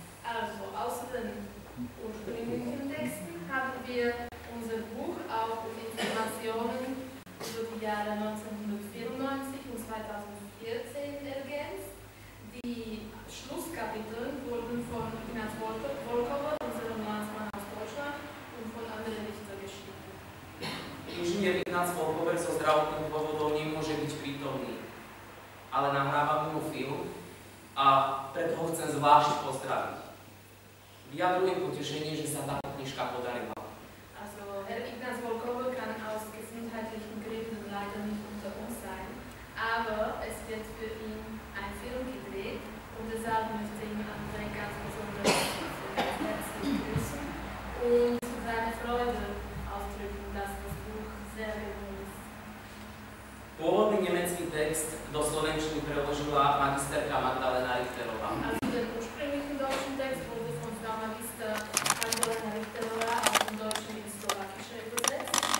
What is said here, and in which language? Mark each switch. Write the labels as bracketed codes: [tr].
[de] Also, außer den ursprünglichen Texten haben wir unser Buch auch mit Informationen über die Jahre 1994 und 2014 ergänzt. Die Schlusskapitel wurden von Ignác Volkober, unserem Landsmann aus Deutschland, und von Andrej Richter geschrieben. [sk] Inžinier Ignác Volkober zo zdravotných dôvodov nemôže byť prítomný, ale nahrávam mu film a preto ho chcem zvlášť pozdraviť. Vyjadruje potešenie, že sa tá knižka podarila. [de] Also, Herr Ignác Volkober kann aus gesundheitlichen Gründen leider nicht unter uns sein, aber es wird für ihn ein Film gedreht und deshalb möchte ihn André ganz besonders herzlich grüßen und seine Freude ausdrücken, dass das Buch sehr gelungen ist. [sk] Pôvodný nemecký text do slovenčiny preložila magisterka Magdalena Richterová. [de] Also, den ursprünglichen deutschen Text wurde von Frau Magister Magdalena Richterová aus dem Deutschen ins Slowakische übersetzt.